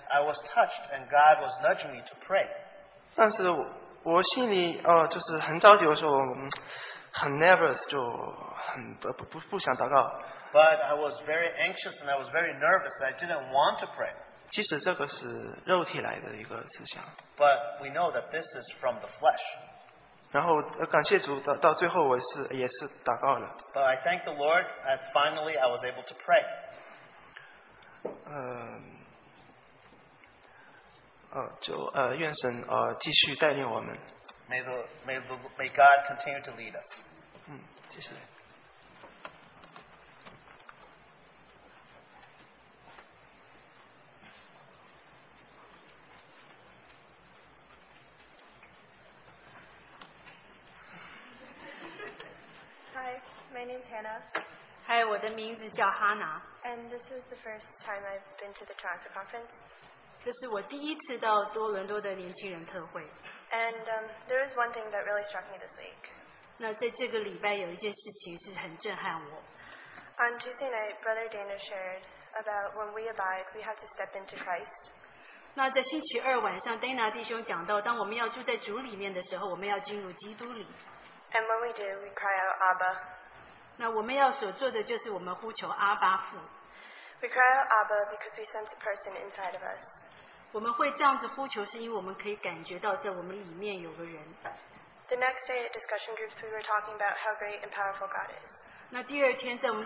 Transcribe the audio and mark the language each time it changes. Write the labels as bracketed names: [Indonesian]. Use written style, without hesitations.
[English] I was touched, and God was nudging me to pray. [Chinese] 但是我心里就是很着急，我说很 nervous， 就很不想祷告。 [English] But I was very anxious and I was very nervous. I didn't want to pray. [Chinese] 其实这个是肉体来的一个思想。 [English] But we know that this is from the flesh. [Chinese] 然后感谢主，到最后我也是祷告了。 [English] But I thank the Lord, and finally I was able to pray. [Chinese] 愿神继续带领我们。 [English] May God continue to lead us. [Chinese] 谢谢。 Hi, 我的名字叫哈娜。 [English] And this is the first time I've been to the Toronto conference. [Chinese] 这是我第一次到多伦多的年轻人特会。 [English] And there is one thing that really struck me this week. [Chinese] 那在这个礼拜有一件事情是很震撼我。 [English] On Tuesday night, Brother Dana shared about when we abide, we have to step into Christ. [Chinese] 那在星期二晚上, Dana 弟兄讲到, 当我们要住在主里面的时候, 我们要进入基督里。 [English] And when we do, we cry out, Abba. [Chinese] 那我们要所做的就是我们呼求阿爸父。 [English] We cry out, Abba, because we sense a person inside of us. [Chinese] 我们会这样子呼求是因为我们可以感觉到在我们里面有个人。 [English] The next day at discussion groups, we were talking about how great and powerful God is.